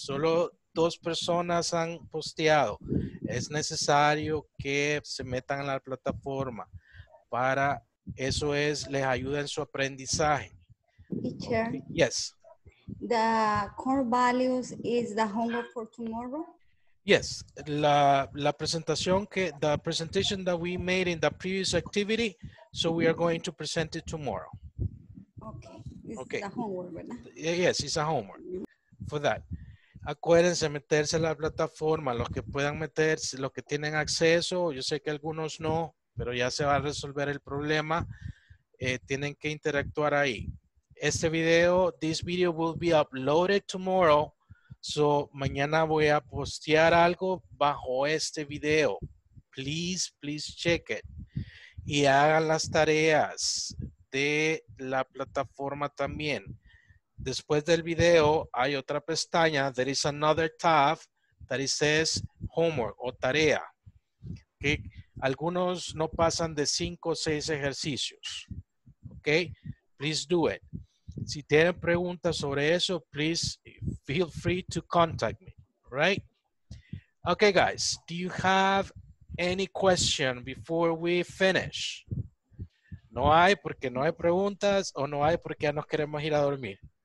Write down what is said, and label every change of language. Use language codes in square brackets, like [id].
[es] Solo dos personas han posteado. Es necesario que se metan a la plataforma para eso, es les ayuda en su aprendizaje. [en] Teacher. Okay. Yes. The core values is the homework for tomorrow. Yes, [es] la presentación que, [en] the presentation that we made in the previous activity, so we are going to present it tomorrow. Okay, it's a homework, ¿verdad? Yes, it's a homework for that. [es] Acuérdense meterse a la plataforma, los que puedan meterse, los que tienen acceso, yo sé que algunos no, pero ya se va a resolver el problema, tienen que interactuar ahí. Este video, [en] this video will be uploaded tomorrow. [es] So, mañana voy a postear algo bajo este video. [en] Please, please check it. [es] Y hagan las tareas de la plataforma también. Después del video, hay otra pestaña. [en] There is another tab that it says homework [es] o tarea. Okay. Algunos no pasan de 5 o 6 ejercicios. Okay? [en] Please do it. [es] Si tienen preguntas sobre eso, [en] please feel free to contact me, right? Okay, guys, do you have any question before we finish? [es] No hay porque no hay preguntas, o no hay porque ya nos queremos ir a dormir.